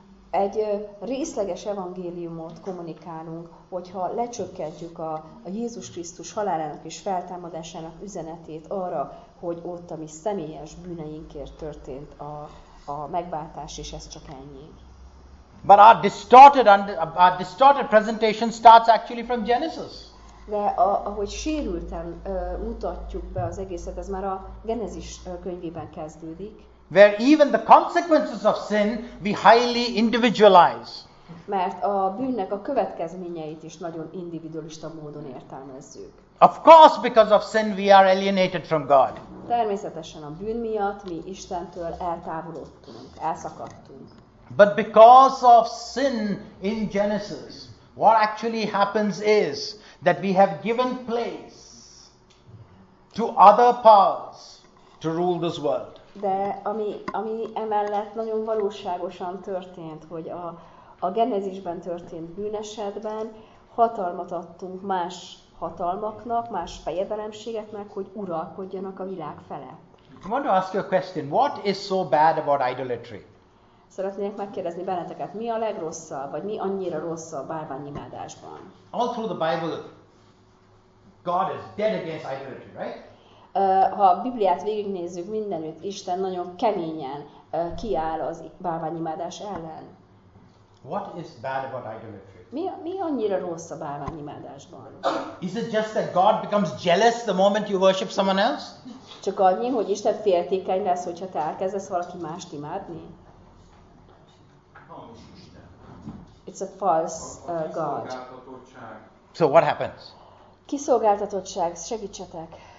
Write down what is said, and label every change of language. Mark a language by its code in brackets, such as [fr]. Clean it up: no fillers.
[hu] Egy részleges evangéliumot kommunikálunk, hogyha lecsökkentjük a Jézus Krisztus halálának és feltámadásának üzenetét arra, hogy ott a mi személyes bűneinkért történt a megváltás, és ez csak ennyi. [en] But our distorted presentation starts actually from Genesis. [hu] De ahogy sérülten mutatjuk be az egészet, ez már a Genesis könyvében kezdődik. [en] Where even the consequences of sin we highly individualize. [hu] Mert a bűnnek a következményeit is nagyon individualista módon értelmezzük. [en] Of course, because of sin we are alienated from God. [hu] Természetesen a bűn miatt mi Istentől eltávolodtunk, elszakadtunk. [en] But because of sin in Genesis, what actually happens is that we have given place to other powers to rule this world. [hu] De ami emellett nagyon valóságosan történt, hogy a Genezisben történt bűnesetben hatalmat adtunk más hatalmaknak, más fejedelemségeknek, hogy uralkodjanak a világ felett. [en] I want to ask you a question. What is so bad about idolatry? [hu] Szeretnék megkérdezni benneteket, mi a legrosszabb, vagy mi annyira rossz a bálványimádásban? [en] All through the Bible, God is dead against idolatry, right? [hu] Ha a Bibliát végignézzük, mindenütt Isten nagyon keményen kiáll az bálványimádás ellen. [en] What is bad about idolatry? [hu] Mi annyira rossz a bálványimádásban? [en] Is it just that God becomes jealous the moment you worship someone else? [hu] Csak annyi, hogy Isten féltékeny lesz, hogyha te elkezdesz valaki mást imádni? [en] It's a false God. So what happens? [hu] Kiszolgáltatottság, segítsetek.